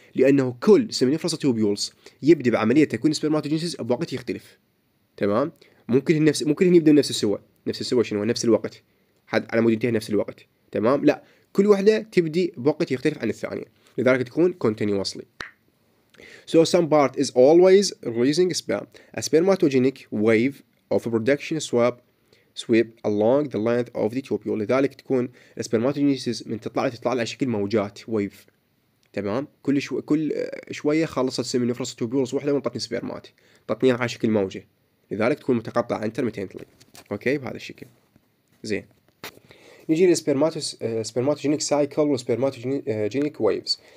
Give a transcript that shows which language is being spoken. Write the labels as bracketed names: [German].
[Arabic] لأنه كل سمنفرصة tubules يبدأ بعملية تكوين spermatogenesis بوقت يختلف. تمام، ممكن نفس ممكن هن يبدأ نفس السوى، نفس السوى شنو؟ نفس الوقت، حد على مود ينتهي نفس الوقت. تمام، لا كل واحدة تبدي بوقت يختلف عن الثانية، لذلك تكون continuously. [English] So some part is always releasing sperm. A spermatogenic wave of reproduction sweep along the length of the tubule. [Arabic] لذلك تكون spermatogenesis من تطلع على شكل موجات wave. تمام، كل شوية خلصت سيمينفرصة tubules واحدة وانطتني spermات، طتني على شكل موجة، لذلك تكون متقطعة intermittently. أوكي، بهذا الشكل. زين، نجي للسبرماتوجينيك سايكل والسبرماتوجينيك ويفز.